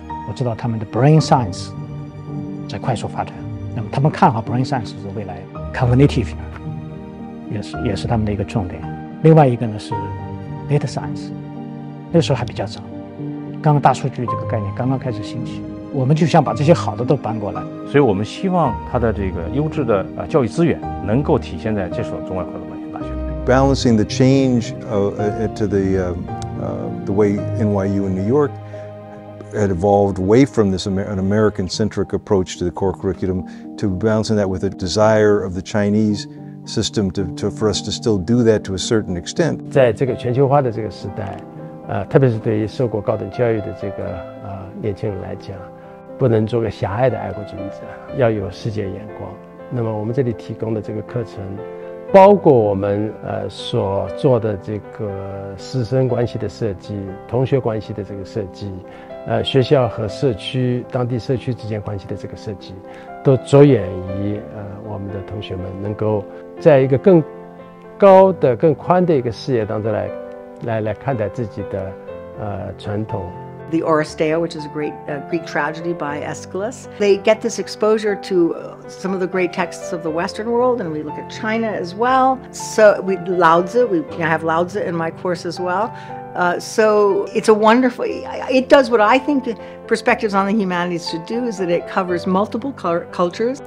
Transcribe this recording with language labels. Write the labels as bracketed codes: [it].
[zh] 我知道他们的 Brain Science 在快速发展，那么他们看好 Brain Science 的未来 ，Cognitive 也是他们的一个重点。另外一个呢是 Data Science， 那时候还比较早，刚大数据这个概念刚刚开始兴起。我们就想把这些好的都搬过来，所以我们希望它的这个优质的教育资源能够体现在这所中外合作大学。 [en] Balancing the change to the way NYU in New York had evolved away from this an American-centric approach to the core curriculum, to balancing that with a desire of the Chinese system to for us to still do that to a certain extent. [zh] 在这个全球化的这个时代，特别是对于受过高等教育的这个年轻人来讲。不能做个狭隘的爱国主义者，要有世界眼光。那么我们这里提供的这个课程，包括我们所做的这个师生关系的设计、同学关系的这个设计，学校和社区、当地社区之间关系的这个设计，都着眼于我们的同学们能够在一个更高的、更宽的一个视野当中来看待自己的传统。 [en] The Oresteia, which is a great Greek tragedy by Aeschylus. They get this exposure to some of the great texts of the Western world, and we look at China as well. So I have Lao Tzu in my course as well. So it's a wonderful, it does what I think Perspectives on the Humanities should do, is that it covers multiple cultures.